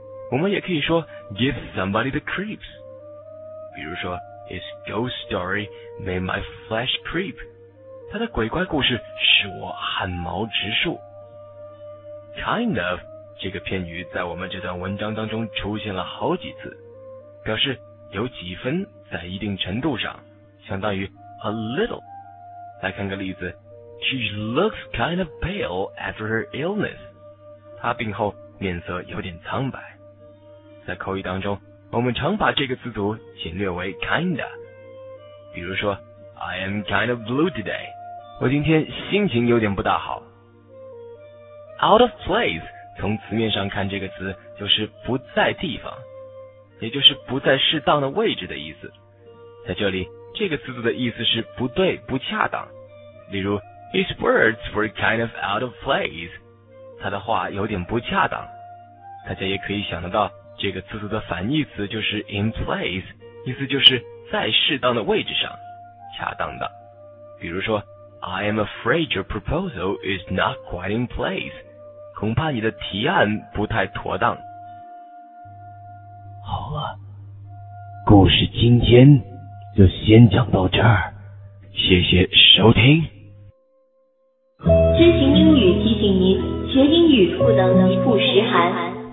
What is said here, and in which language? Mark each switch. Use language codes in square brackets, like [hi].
[zh] 我们也可以说 [en] give somebody the creeps， [zh] 比如说 [en] his ghost story made my flesh creep， [zh] 他的鬼怪故事使我汗毛直竖。 [en] kind of [zh] 这个片语在我们这段文章当中出现了好几次，表示有几分，在一定程度上，相当于 [en] a little。 [zh] 来看个例子， [en] she looks kind of pale after her illness， [zh] 她病后面色有点苍白。在口语当中，我们常把这个词组简略为 kinda， 比如说 [en] I am kind of blue today， [zh] 我今天心情有点不大好。 [en] Out of place [zh] 从词面上看，这个词就是不在地方，也就是不在适当的位置的意思。在这里这个词组的意思是不对、不恰当，例如 [en] His words were kind of out of place， [zh] 他的话有点不恰当，大家也可以想得到，这个字组的反义词就是 in place， 意思就是在适当的位置上，恰当的。比如说 [en] I am afraid your proposal is not quite in place， [zh] 恐怕你的提案不太妥当。好了，故事今天就先讲到这儿，谢谢收听。知行英语提醒您，学英语不能一不识韩。